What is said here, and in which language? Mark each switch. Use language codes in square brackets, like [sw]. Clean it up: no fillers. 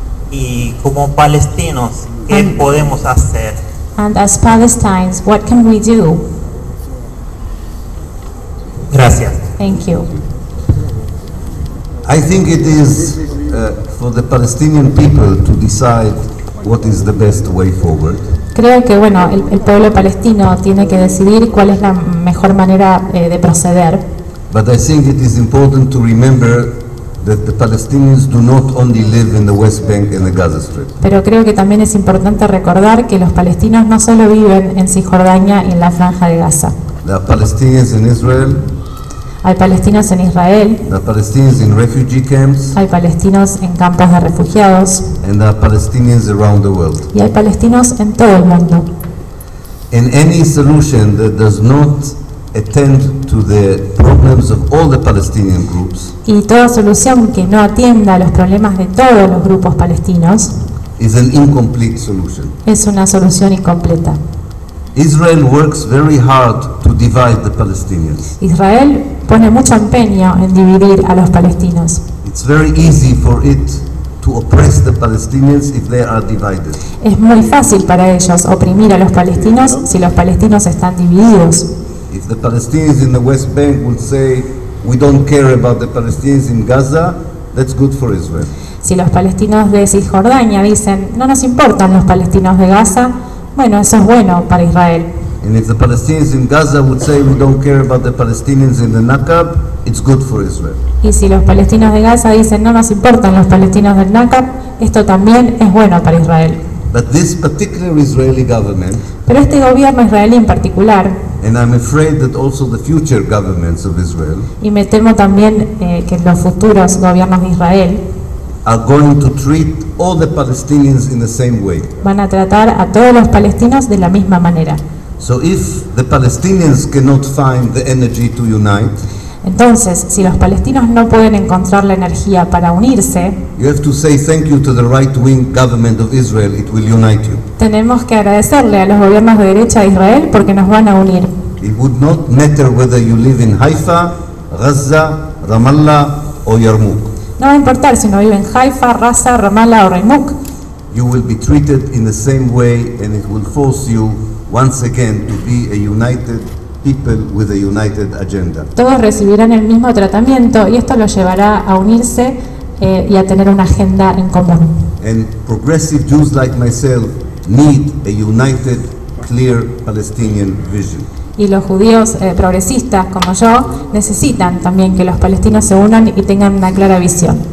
[es] Y como palestinos, ¿qué podemos hacer? [en] And as Palestinians, what can we do? [es] Gracias. [en] Thank you. I think it is for the Palestinian people to decide what is the best way forward. [es] Creo que el pueblo palestino tiene que decidir cuál es la mejor manera de proceder. [en] But I think it is important to remember that the Palestinians do not only live in the West Bank and the Gaza Strip. [es] Pero creo que también es importante recordar que los palestinos no solo viven en Cisjordania y en la franja de Gaza. [en] There are Palestinians in Israel. [es] Hay palestinos en Israel. [en] There are Palestinians in refugee camps. [es] Hay palestinos en campos de refugiados. [en] And there are Palestinians around the world. [es] Y hay palestinos en todo el mundo. [en] And any solution that does not attend to the problems of all the Palestinian groups. [es] Y toda solución que no atienda a los problemas de todos los grupos palestinos. [en] Is an incomplete solution. [es] Es una solución incompleta. [en] Israel works very hard to divide the Palestinians. [es] Israel pone mucho empeño en dividir a los palestinos. [en] It's very easy for it to oppress the Palestinians if they are divided. [es] Es muy fácil para ellos oprimir a los palestinos si los palestinos están divididos. [en] If the Palestinians in the West Bank would say, "We don't care about the Palestinians in Gaza," that's good for Israel. [es] Si los palestinos de Cisjordania dicen, "No nos importan los palestinos de Gaza," eso es bueno para Israel. [en] And if the Palestinians in Gaza would say we don't care about the Palestinians in the Nakab, it's good for Israel. [es] Y si los palestinos de Gaza dicen no nos importan los palestinos del Nakab, esto también es bueno para Israel. [en] But this particular Israeli government. [es] Pero este gobierno israelí en particular. [en] And I'm afraid that also the future governments of Israel. [es] Y me temo también que los futuros gobiernos de Israel. [en] Are going to treat all the Palestinians in the same way. [es] Van a tratar a todos los palestinos de la misma manera. [en] So if the Palestinians cannot find the energy to unite, [es] entonces si los palestinos no pueden encontrar la energía para unirse, [en] you have to say thank you to the right-wing government of Israel. It will unite you. [es] Tenemos que agradecerle a los gobiernos de derecha de Israel porque nos van a unir. [en] It would not matter whether you live in Haifa, Gaza, Ramallah, or Yarmouk. [es] No va a importar si no vive en Haifa, Raza, Ramallah o Reymouk. [en] You will be treated in the same way, and it will force you once again to be a united people with a united agenda. [es] Todos recibirán el mismo tratamiento, y esto los llevará a unirse y a tener una agenda en común. [en] And progressive Jews like myself need a united, clear Palestinian vision. [es] Y los judíos progresistas como yo necesitan también que los palestinos se unan y tengan una clara visión.